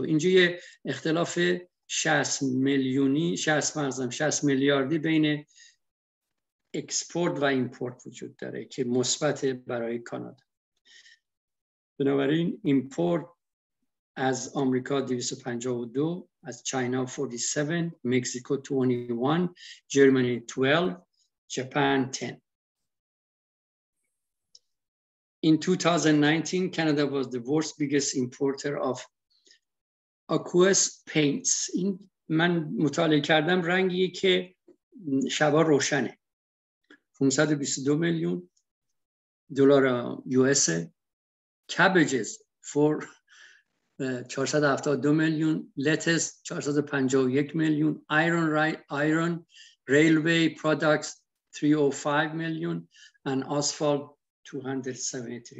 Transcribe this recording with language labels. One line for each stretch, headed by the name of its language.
Persian: اینجا یه اختلاف 60 میلیاردی بین اکسپورت و ایمپورت وجود داره که مثبت برای کانادا. بنابراین ایمپورت از آمریکا 252، از چینا 47، مکزیکو 21، جرمنی 12، ژاپن 10.
English: In 2019 Canada was the world's biggest importer of aqueous paints.
Persian: این من مطالعه کردم رنگی که شبا روشنه، 522 میلیون دلار یو اس.
English: Cabbages for 472 million, lettuce 451 million, iron railway products 305 million, and asphalt 273.